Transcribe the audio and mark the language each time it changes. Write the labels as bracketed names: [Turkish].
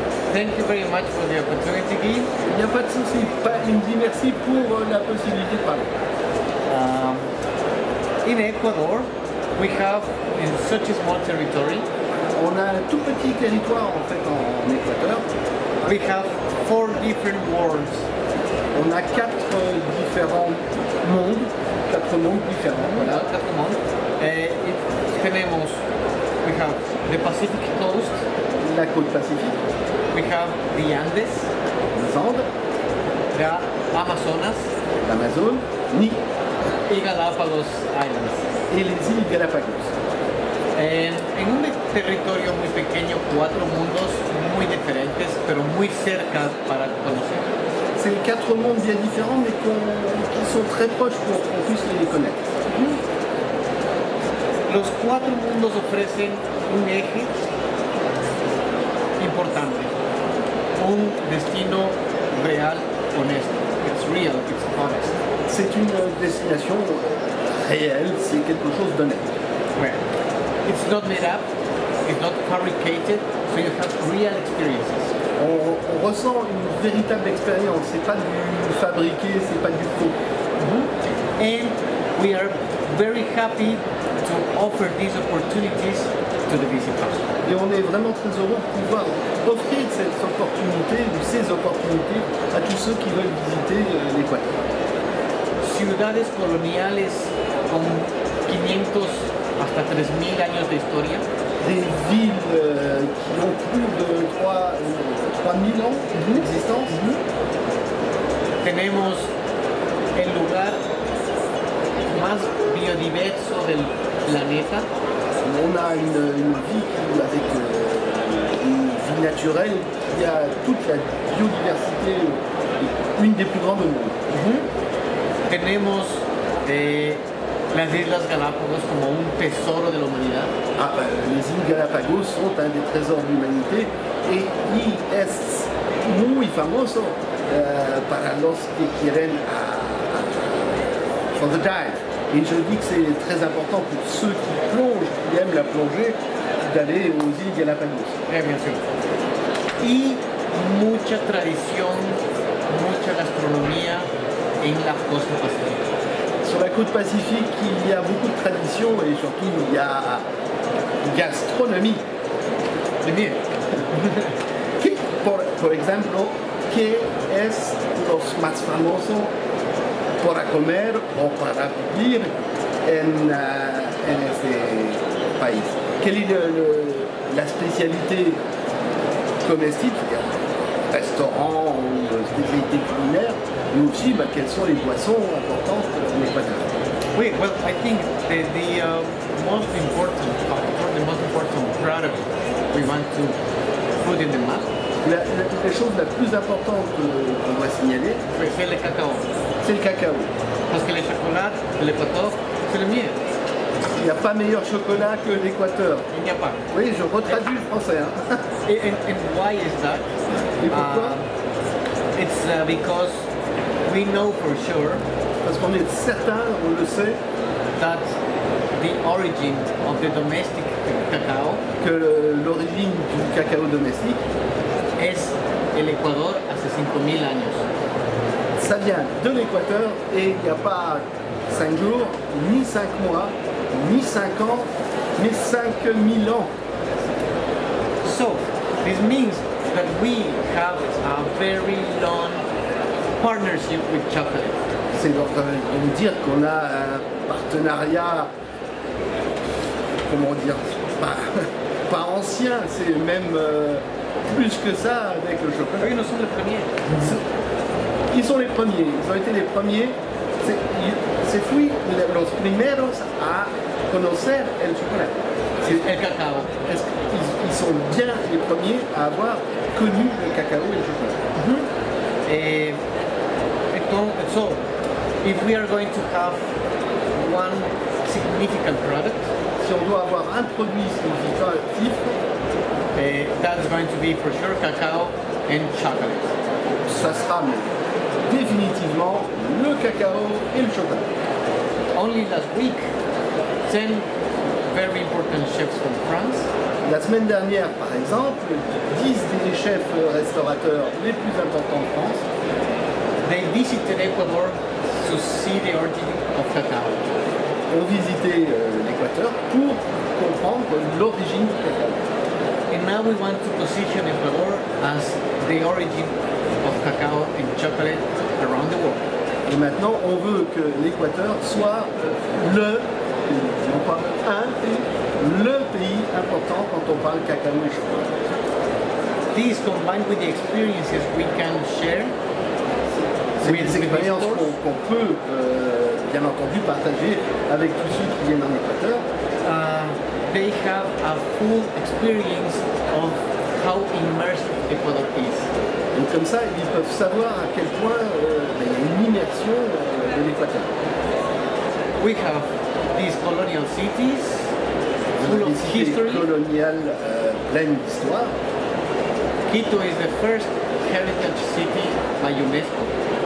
[English] Thank you very much for the opportunity, Guy. [French] Il n'y a pas de souci. Il me dit merci pour la possibilité de parler. [English] In Ecuador, we have in such a small territory. [French] On a tout petit territoire en fait en Équateur. [English] We have four different worlds. [French] On a quatre différents mondes. Quatre mondes différents. Voilà, quatre mondes. Et [Spanish] tenemos, [English] we have the Pacific Coast. [French] La côte pacifique. [English] We have the Andes. [French] Les Andes. [English] The Amazonas. [French] L'Amazon. Ni. [Spanish] Y [English] Galápagos Islands. [Spanish] Y les Islas Galápagos. En un territorio muy pequeño, cuatro mundos muy diferentes, pero muy cerca para conocer. [French] C'est quatre mondes bien différents, mais qui sont très proches pour qu'on puisse les connaître. [Spanish] Los cuatro mundos ofrecen un eje importante, un destino real, honesto. [English] It's real, it's honest. [French] C'est une destination réelle, c'est quelque chose d'honnête. [English] Well, it's not made up, it's not fabricated, so you have real experiences. [French] On ressent une véritable expérience, c'est pas du fabriqué, c'est pas du faux. Mm-hmm. [English] And we are very happy to offer these opportunities to the visitors. [French] Et on est vraiment très heureux de pouvoir offrir cette opportunité, ou ces opportunités, à tous ceux qui veulent visiter l'Équateur. [Spanish] Ciudades coloniales con 500 hasta 3000 años de historia. [French] Des villes qui ont plus de 3000 ans d'existence. Mm-hmm. [Spanish] Tenemos el lugar más biodiverso del planeta. [French] On a une ville avec une vie naturelle qui a toute la biodiversité, une des plus grandes au monde. Mm-hmm. [Spanish] Tenemos las Islas Galápagos como un tesoro de la humanidad. [French] Ah, les Islas Galápagos son un des trésors de l'humanité et [Spanish] y es muy famoso para los que quieren [English] for the dive. [French] Et je dis que c'est très important pour ceux qui plongent, qui aiment la plongée, d'aller aux Islas Galápagos. Très bien sûr. [Spanish] Y mucha tradición, mucha gastronomía. En la costa pacífica. [French] Sur la côte pacifique, il y a beaucoup de traditions et surtout il y a gastronomie. C'est bien. [Spanish] ¿Qué, por ejemplo, qué es los más famosos para comer o para vivir en este país? [French] Quelle est la spécialité comestible? Restaurant ou spécialité culinaire? Mais aussi, quelles sont les boissons importantes en Équateur? [English] Oui, I think the most important product we want to put in the map. [French] La chose la plus importante qu'on doit signaler, c'est le cacao. C'est le cacao. Parce que le chocolat, l'Équateur, c'est le mieux. Il n'y a pas meilleur chocolat que l'Équateur. Il n'y a pas. Oui, je retraduis le français. Hein. [English] And why is that? [French] Et pourquoi? [English] It's because we know for sure, [French] parce qu'on est certain, on le sait, [English] that the origin of the domestic cacao, [French] que l'origine du cacao domestique, est l'Équateur [Spanish] hace 5000 años. [French] Ça vient de l'Équateur et il n'y a pas 5 jours, ni 5 mois, ni 5 ans, mais 5000 ans. [English] So, this means that we have a very long partnership with chocolate. [French] C'est donc de dire qu'on a un partenariat, comment dire, pas ancien, c'est même plus que ça avec le chocolat. Oui, nous sommes les premiers. Ils sont les premiers, ils ont été les premiers. [Spanish] C'est fui los primeros a conocer el chocolat. [French] C'est el cacao. Ils sont bien les premiers à avoir connu le cacao et le chocolat. [English] So, if we are going to have one significant product, [French] si on doit avoir un produit significatif, [English] that's going to be for sure cacao and chocolate. [French] Ça sera définitivement le cacao et le chocolat. [English] Only last week, 10 very important chefs from France. [French] La semaine dernière, par exemple, 10 des chefs restaurateurs les plus importants de France. [English] They visited Ecuador to see the origin of cacao. [French] Ont visité l'Équateur pour comprendre l'origine du cacao. [English] And now we want to position Ecuador as the origin of cacao and chocolate around the world. [French] Et maintenant, on veut que l'Équateur soit le, non pas un pays, le pays important quand on parle cacao et chocolat. [English] This combined with the experiences we can share. [French] Oui, les expériences qu'on peut, bien entendu, partager avec tous ceux qui viennent en Équateur. [English] They have a full experience of how immersed Ecuador is. [French] Donc comme ça, ils peuvent savoir à quel point une immersion de l'Équateur. [English] We have these colonial cities, full of history. [French] Coloniales pleines d'histoire. [English] Quito is the first heritage city by UNESCO.